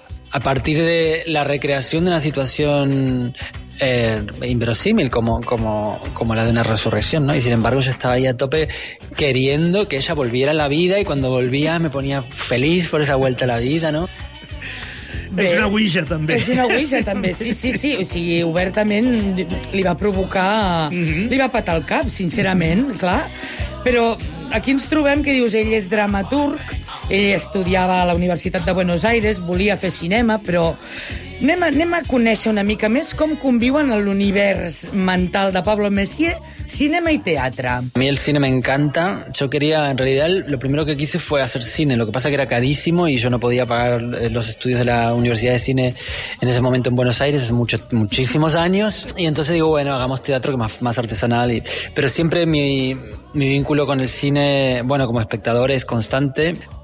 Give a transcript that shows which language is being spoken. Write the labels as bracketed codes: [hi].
[es] A partir de la recreación de una situación inverosímil como la de una resurrección, ¿no? Y sin embargo yo estaba ahí a tope queriendo que ella volviera a la vida y cuando volvía me ponía feliz por esa vuelta a la vida, ¿no? [ca] Bé, és una ouija, també. És una ouija, també, sí, sí, sí. O sigui, obertament li va provocar... Li va petar el cap, sincerament, clar. Però aquí ens trobem que dius, ell és dramaturg, ell estudiava a la Universitat de Buenos Aires, volia fer cinema, però anem a conèixer una mica més com conviuen en l'univers mental de Pablo Messier cinema y teatro. [es] A mí el cine me encanta. Yo quería, en realidad, lo primero que quise fue hacer cine. Lo que pasa que era carísimo y yo no podía pagar los estudios de la Universidad de Cine en ese momento en Buenos Aires, hace muchísimos años. Y entonces digo, bueno, hagamos teatro, que más artesanal. Pero siempre mi vínculo con el cine, bueno, como espectador, es constante.